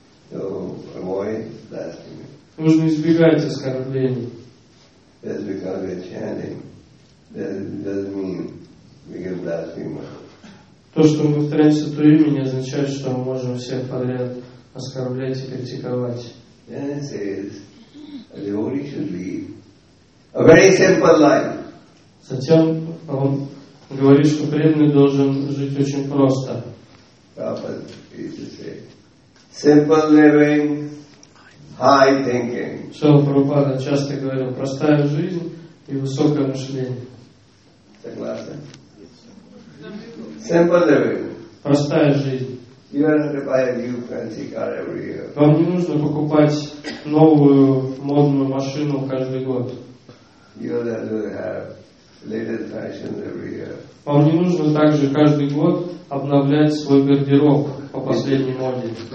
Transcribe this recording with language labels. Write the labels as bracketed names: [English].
[English] So avoid blasphemy. [Russian] Нужно избегать оскорблений. [English] That's because we're chanting. That doesn't mean we can blaspheme. [Russian] То, что мы повторяем святое имя, не означает, что мы можем всех подряд оскорблять и критиковать. [English] And it says, a devotee should lead a very simple life. [Russian] Затем он говорит, что преданный должен жить очень просто. [English] Prabhupada used to say, simple living, high thinking. [Russian] Что Прабхупада часто говорил, простая жизнь и высокое мышление. [English] Simple living. [Russian] Простая жизнь. [English] You don't have to buy a new fancy car every year. [Russian] Вам не нужно покупать новую модную машину каждый год. [English] You don't have to have latest fashions every year. [Russian] Вам не нужно также каждый год обновлять свой гардероб по последней моде.